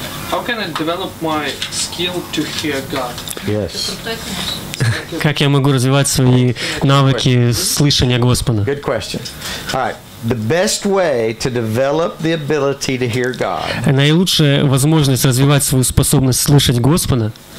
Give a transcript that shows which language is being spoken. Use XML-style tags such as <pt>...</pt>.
<en>How can I develop my skill to hear God? Yes.</en> <ru>Как я могу развивать свои навыки слышания Господа?</ru> <en>Good question. All right. The best way to develop the ability to hear God.</en> <ru>Наилучшая возможность развивать свою способность слышать Господа</ru>